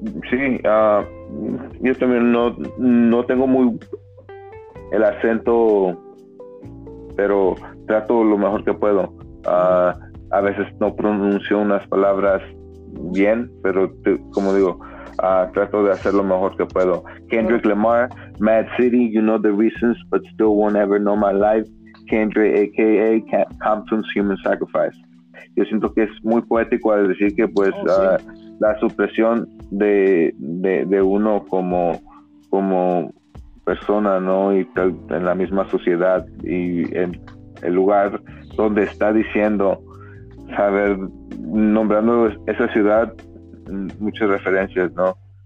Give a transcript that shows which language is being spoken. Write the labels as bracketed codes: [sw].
[es] Sí, yo también no tengo muy el acento, pero trato lo mejor que puedo. A veces no pronuncio unas palabras bien, pero como digo, trato de hacer lo mejor que puedo. Kendrick Claro. [en] Lamar, Mad City, you know the reasons, but still won't ever know my life. Kendrick, a.k.a. Compton's Human Sacrifice. [es] Yo siento que es muy poético al decir que pues Oh, sí. la supresión de uno como persona, ¿no? Y tal, en la misma sociedad y en el lugar donde está diciendo, saber, nombrando esa ciudad, muchas referencias, ¿no?